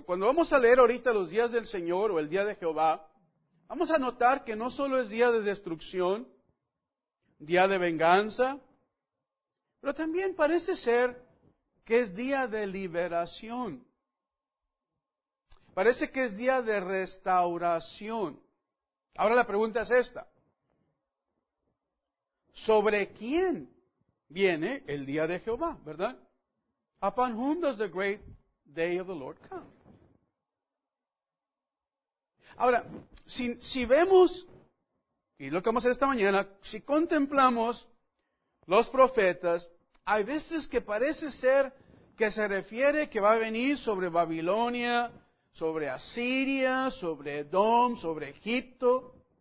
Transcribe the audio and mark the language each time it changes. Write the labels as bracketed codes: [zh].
[es] Cuando vamos a leer ahorita los días del Señor o el día de Jehová, vamos a notar que no solo es día de destrucción, día de venganza, pero también parece ser que es día de liberación. Parece que es día de restauración. Ahora la pregunta es esta. ¿Sobre quién viene el día de Jehová, verdad? [en] Upon whom does the great day of the Lord come? [es] Ahora, si vemos, y lo que vamos a hacer esta mañana, si contemplamos los profetas, hay veces que parece ser que se refiere que va a venir sobre Babilonia, sobre Asiria, sobre Edom, sobre Egipto.